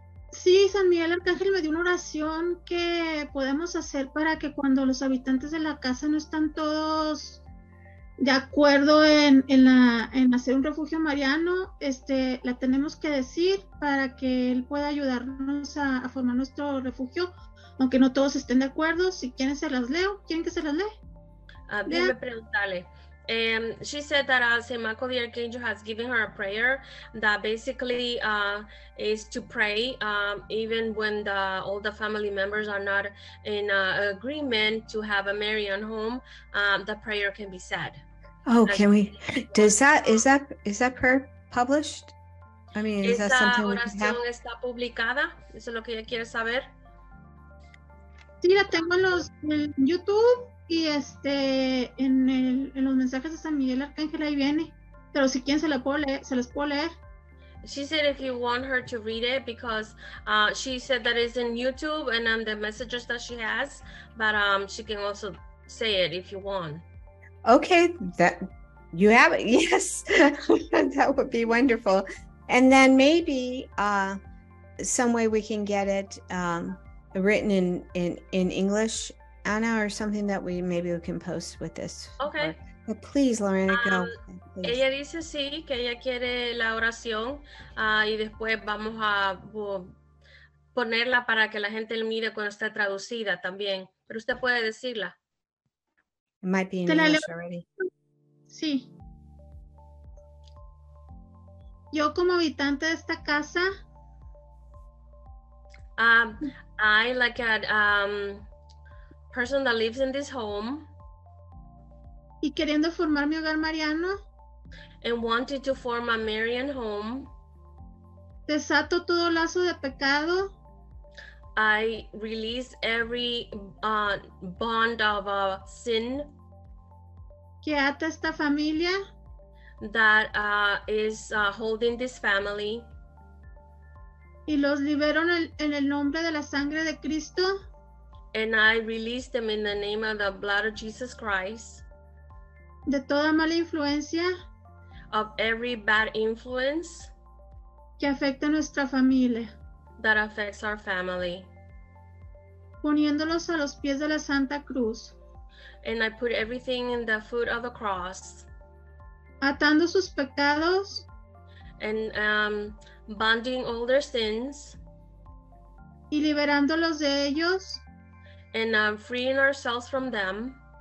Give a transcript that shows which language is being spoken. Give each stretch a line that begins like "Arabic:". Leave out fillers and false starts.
Spanish: Sí, San Miguel Arcángel me dio una oración que podemos hacer para que cuando los habitantes de la casa no están todos de acuerdo en hacer un refugio mariano, la tenemos que decir para que él pueda ayudarnos a formar nuestro refugio. Aunque no todos estén de acuerdo, si quieren se las leo. ¿Quieren que se las lea? Déjame preguntarle.
English: She said that St. Michael the Archangel has given her a prayer that basically is to pray even when all the family members are not in agreement to have a Marian home, the prayer can be said. Oh, can we? Is that prayer published? I mean, is that something we can have?
Spanish: ¿Está publicada? Eso es lo que ella quiere saber. Sí, la tengo en los en YouTube y en el en los mensajes de San Miguel Arcángel ahí viene. Pero si quieren se las puedo leer.
English: She said if you want her to read it, because she said that it's in YouTube and the messages that she has, but she can also say it if you want. Okay, that you have it. Yes, that would be wonderful. And then maybe some way we can get it written in English, Anna, or something that we can post with this. Okay. But please, Lorena, go. Please.
Spanish: Ella dice sí, que ella quiere la oración, y después vamos a ponerla para que la gente la mire cuando está traducida también. Pero usted puede decirla.
English: It might be in English already.
Spanish: Sí. Yo como habitante de esta casa.
English: I like a person that lives in this home.
Spanish: Y queriendo formar mi hogar mariano.
English: And wanting to form a Marian home.
Spanish: Desato todo lazo de pecado.
English: I release every bond of sin.
Spanish: Que ata esta familia.
English: That is holding this family.
Spanish: Y los libero en el nombre de la sangre de Cristo.
English: And I release them in the name of the blood of Jesus Christ.
Spanish: De toda mala influencia.
English: Of every bad influence.
Spanish: Que afecta a nuestra familia.
English: That affects our family.
Spanish: Poniéndolos a los pies de la Santa Cruz.
English: And I put everything in the foot of the cross.
Spanish: Atando sus pecados.
English: And bonding all their sins.
Spanish: Y liberándolos de ellos.
English: And freeing ourselves from them.